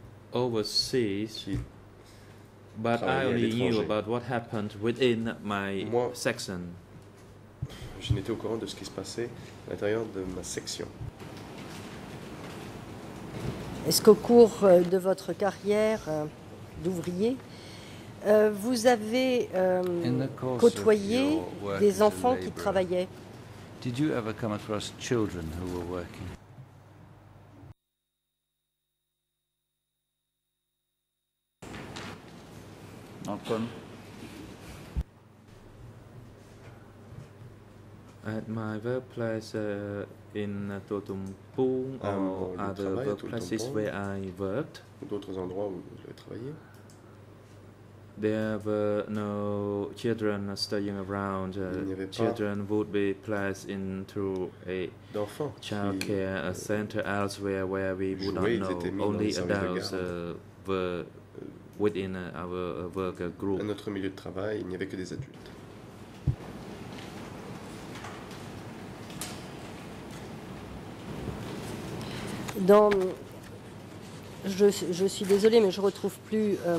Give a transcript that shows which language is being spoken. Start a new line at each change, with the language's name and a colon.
English: overseas, but I only knew about what happened within my section.
French: Je n'étais au courant de ce qui se passait à l'intérieur de ma section. Est-ce qu'au cours de votre carrière d'ouvrier, vous avez côtoyé des enfants qui travaillaient?
English: Did you ever come across children who were working? At my workplace in Totumpung or other workplaces where I worked.
French: D'autres endroits où j'ai travaillé.
English: there were no children studying around. Children would be placed into a childcare center elsewhere where we would not know. Only adults were within our work group.
French: À notre milieu de travail, il n'y avait que des adultes. Dans je suis désolée, mais je ne retrouve plus.